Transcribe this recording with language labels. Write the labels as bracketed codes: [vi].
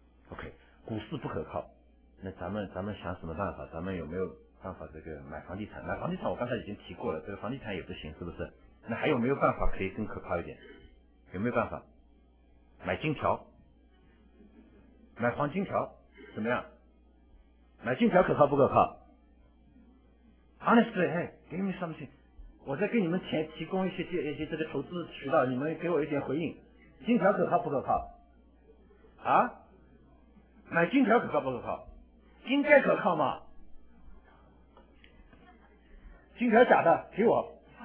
[zh] OK, 股市不可靠，那咱们想什么办法？咱们有没有办法这个买房地产？买房地产我刚才已经提过了，这个房地产也不行，是不是？那还有没有办法可以更可靠一点？有没有办法？买金条，买黄金条，怎么样？买金条可靠不可靠？ [en] Honestly, hey, give me something. [zh] 我再给你们钱提供一些这个投资渠道，你们给我一点回应。金条可靠不可靠？啊？买金条可靠不可靠？应该可靠吗？金条假的，给我。